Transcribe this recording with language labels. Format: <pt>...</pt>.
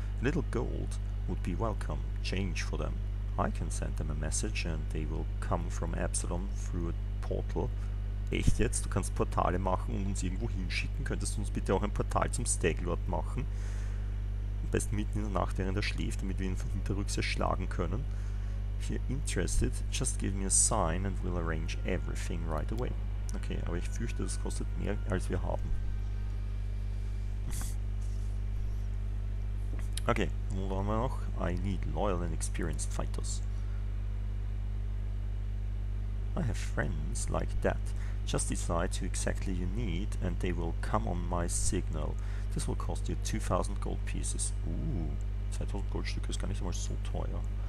<en>A little gold would be welcome, change for them. I can send them a message and they will come from Absalom through a portal.</en> <de>Echt jetzt? Du kannst Portale machen und uns irgendwo hinschicken? Könntest du uns bitte auch ein Portal zum Staglord machen? Am besten mitten in der Nacht, während er schläft, damit wir ihn von hinterrücks erschlagen können.</de> <en>If you're interested, just give me a sign and we'll arrange everything right away.</en> <de>Okay, aber ich fürchte, das kostet mehr, als wir haben.</de> <en>Okay,</en> <de>wo waren wir noch?</de> <en>I need loyal and experienced fighters. I have friends like that. Just decide who exactly you need and they will come on my signal. This will cost you 2000 gold pieces.</en> <de>Ooh, 2000 Goldstücke ist gar nicht einmal so teuer.</de>